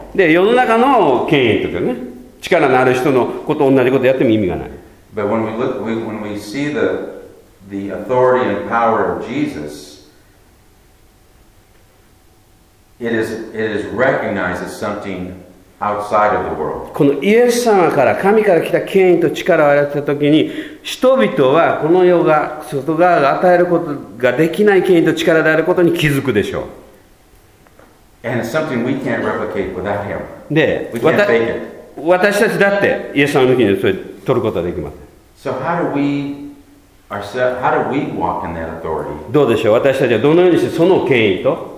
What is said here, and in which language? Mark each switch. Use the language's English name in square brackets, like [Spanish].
[Japanese] で、世の中の権威とかね、力のある人のこと同じことやっても意味がない。 [English] But when we look, when we see the authority and power of Jesus, it is recognized as something outside of the world. [Japanese] このイエス様から神から来た権威と力を与えたときに、人々はこの世が外側が与えることができない権威と力であることに気づくでしょう。 [English] And it's something we can't replicate without Him. [Japanese] で、私たちだってイエス様の時にそれ取ることはできません。 [English] So how do we walk in that authority? [Japanese] どうでしょう、私たちはどのようにしてその権威と